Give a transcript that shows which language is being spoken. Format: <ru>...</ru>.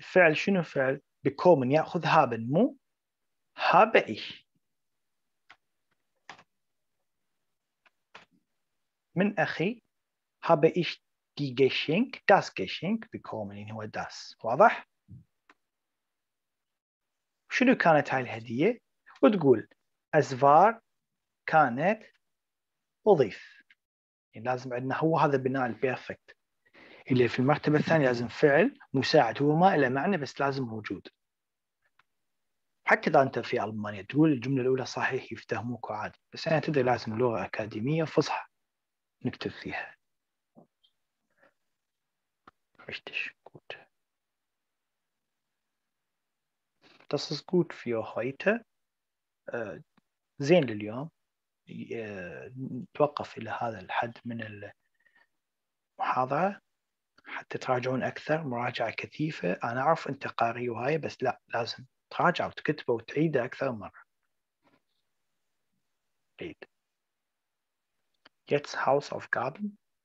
<ar>فعل شنو فعل؟ بيكومن يأخذ هابن مو هابئي من أخي</ar> <de>habe ich die Geschenk, das Geschenk bekommen, in Hua das.</de> <ar>واضح؟ شنو كانت هاي الهدية؟ وتقول</ar> <de>es war</de> <ar>كانت أضيف. يعني لازم عندنا هو هذا بناء البيرفكت اللي في المرتبة الثانية لازم فعل مساعد هو ما إلى معنى بس لازم موجود. حتى إذا أنت في ألمانيا تقول الجملة الأولى صحيح يفتهموك عادي بس أنا تدري لازم لغة أكاديمية فصحى نكتب فيها.</ar> <de>Richtig gut. Das ist gut für heute. Sehen wir</de> <ar>اليوم. توقف إلى هذا الحد من المحاضرة حتى تراجعون أكثر مراجعة كثيفة. أنا أعرف أنت قاري وهاي بس لا لازم تراجع وتكتب وتعيد أكثر مرة. عيد.</ar> <de>Jetzt Hausaufgaben.</de>